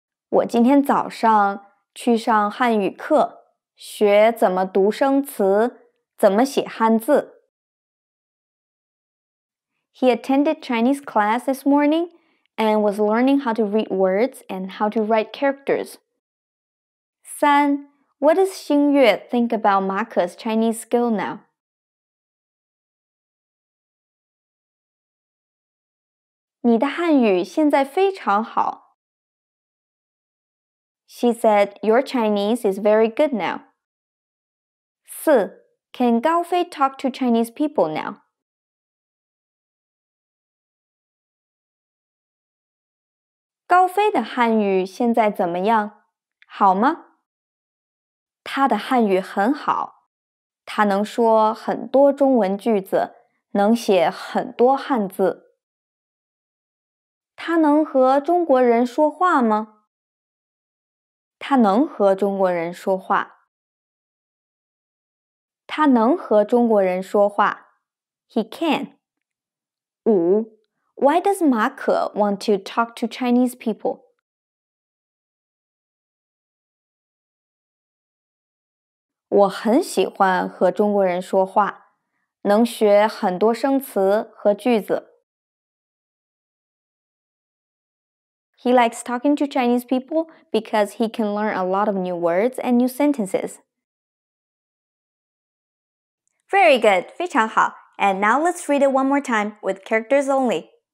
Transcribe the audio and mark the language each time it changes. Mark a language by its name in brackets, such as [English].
[Chinese] 我今天早上去上汉语课。学怎么读生词，怎么写汉字。 [English] He attended Chinese class this morning and was learning how to read words and how to write characters. 三 What does 星月 think about 马可's Chinese skill now? She said, your Chinese is very good now. 四 Can 高飞 talk to Chinese people now? [Chinese] 高飞的汉语现在怎么样？好吗？他的汉语很好，他能说很多中文句子，能写很多汉字。他能和中国人说话吗？他能和中国人说话。他能和中国人说话。 [English] He can. 五 Why does 马可 want to talk to Chinese people? [Chinese] 我很喜欢和中国人说话，能学很多生词和句子。 [English] He likes talking to Chinese people because he can learn a lot of new words and new sentences. Very good, [Chinese] 非常好。 [English] And now let's read it one more time with characters only.